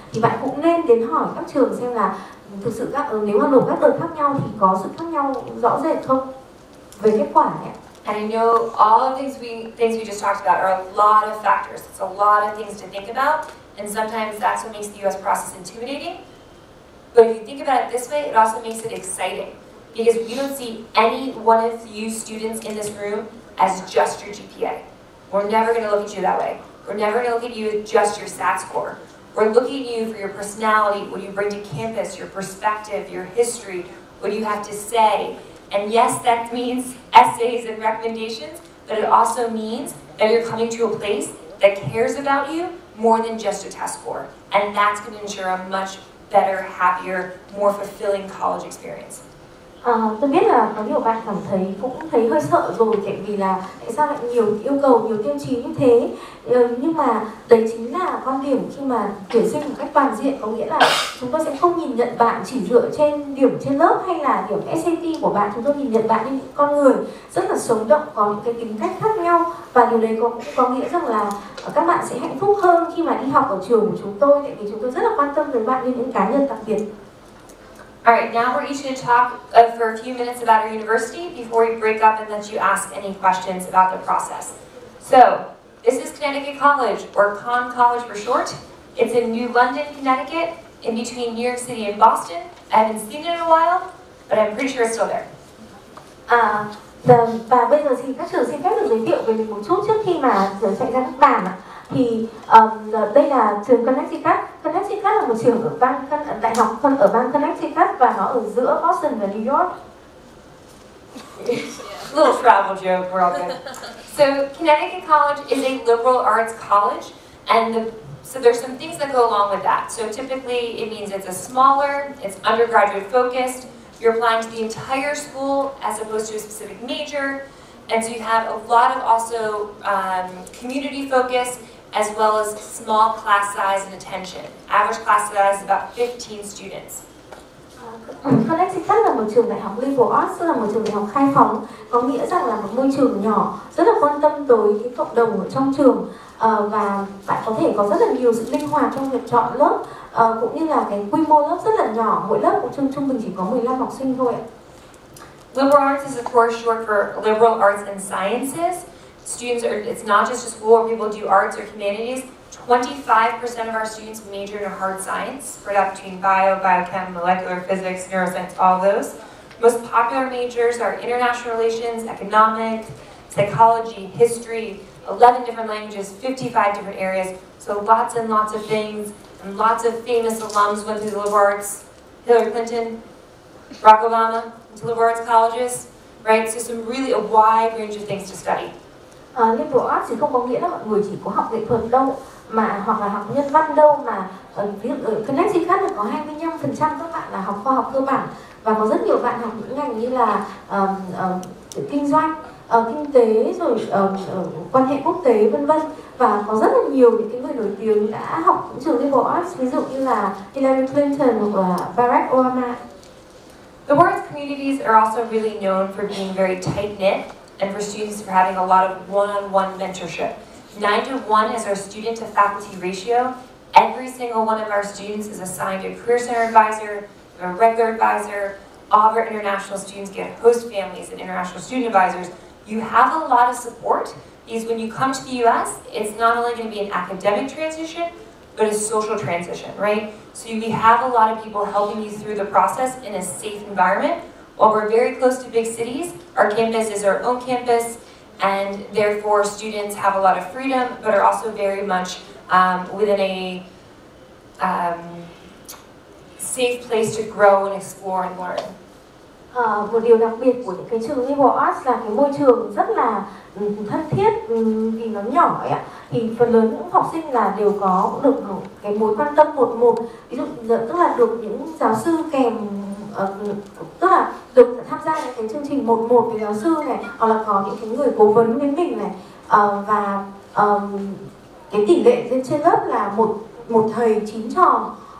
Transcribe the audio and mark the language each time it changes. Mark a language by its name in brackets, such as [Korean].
[Vietnamese] Thì bạn cũng nên đến hỏi các trường xem là thực sự nếu mà nộp các đợt khác nhau thì có sự khác nhau rõ rệt không về kết quả nhé. [English] And I know all of these things we just talked about are a lot of factors. It's a lot of things to think about, and sometimes that's what makes the U.S. process intimidating. But if you think about it this way, it also makes it exciting, because you don't see any one of you students in this room as just your GPA. We're never going to look at you that way. We're never going to look at you as just your SAT score. We're looking at you for your personality, what you bring to campus, your perspective, your history, what you have to say. And yes, that means essays and recommendations, but it also means that you're coming to a place that cares about you more than just a test score. And that's going to ensure a much better, happier, more fulfilling college experience. [Vietnamese] Tôi biết là có nhiều bạn cũng thấy hơi sợ rồi, tại vì là tại sao lại nhiều yêu cầu, nhiều tiêu chí như thế. Nhưng mà đấy chính là quan điểm khi mà tuyển sinh một cách toàn diện, có nghĩa là chúng tôi sẽ không nhìn nhận bạn chỉ dựa trên điểm trên lớp hay là điểm SAT của bạn. Chúng tôi nhìn nhận bạn như những con người rất là sống động, có những cái tính cách khác nhau. Và điều đấy cũng có nghĩa rằng là các bạn sẽ hạnh phúc hơn khi mà đi học ở trường của chúng tôi, tại vì chúng tôi rất là quan tâm đến bạn như những cá nhân đặc biệt. [English] All right, now we're each going to talk for a few minutes about our university before we break up and let you ask any questions about the process. So, this is Connecticut College, or Conn College for short. It's in New London, Connecticut, in between New York City and Boston. I haven't seen it in a while, but I'm pretty sure it's still there. [Vietnamese] Và bây giờ thì các trường xin phép được giới thiệu về mình một chút trước khi mà giờ chạy ra nước bạn ạ. Thì đây là trường Connecticut. Connecticut là một trường ở bang đại học phân ở bang Connecticut và nó ở giữa Boston và New York. [English] Little travel joke, we're all good. So Connecticut College is a liberal arts college, and so there's some things that go along with that. So typically it means it's a smaller, it's undergraduate focused. You're applying to the entire school as opposed to a specific major. And so you have a lot of also community focus as well as small class size and attention. Average class size is about 15 students. [Vietnamese] Connecticut là một trường đại học liberal arts, là một trường đại học khai phóng, có nghĩa rằng là một môi trường nhỏ, rất là quan tâm tới cái cộng đồng ở trong trường và bạn có thể có rất là nhiều sự linh hoạt trong việc chọn lớp cũng như là cái quy mô lớp rất là nhỏ, mỗi lớp của trường trung bình chỉ có 15 học sinh thôi. [English] Liberal arts is of course short for liberal arts and sciences. Students are, it's not just a school where people do arts or humanities. 25% of our students major in hard science, spread out between bio, biochem, molecular physics, neuroscience, all those. Most popular majors are international relations, economics, psychology, history, 11 different languages, 55 different areas. So lots and lots of things, and lots of famous alums went through the liberal arts. Hillary Clinton, Barack Obama went to liberal arts colleges, right? So some really a wide range of things to study. [Vietnamese] Liberal arts thì không có nghĩa là mọi người chỉ có học nghệ thuật đâu mà hoặc là học nhân văn đâu mà ví dụ ở Connecticut là có 25% các bạn là học khoa học cơ bản và có rất nhiều bạn học những ngành như là kinh doanh, kinh tế rồi quan hệ quốc tế vân vân và có rất là nhiều những cái người nổi tiếng đã học trường liberal arts ví dụ như là Hillary Clinton hoặc là Barack Obama. [English] The arts communities are also really known for being very tight knit. And for students for having a lot of one-on-one mentorship. 9-to-1 is our student to faculty ratio. Every single one of our students is assigned a career center advisor, a regular advisor. All of our international students get host families and international student advisors. You have a lot of support because when you come to the US, it's not only gonna be an academic transition, but a social transition, right? So we have a lot of people helping you through the process in a safe environment. While we're very close to big cities, our campus is our own campus, and therefore students have a lot of freedom, but are also very much within a safe place to grow and explore and learn. [Vietnamese] Một điều đặc biệt của những cái trường liberal arts là cái môi trường rất là thân thiết vì nó nhỏ ấy ạ. Thì phần lớn những học sinh là đều có được cái mối quan tâm một một. Ví dụ tức là được những giáo sư kèm tức là được tham gia những cái chương trình một một với giáo sư này hoặc là có những cái người cố vấn với mình này và cái tỷ lệ lên trên lớp là một thầy chín trò.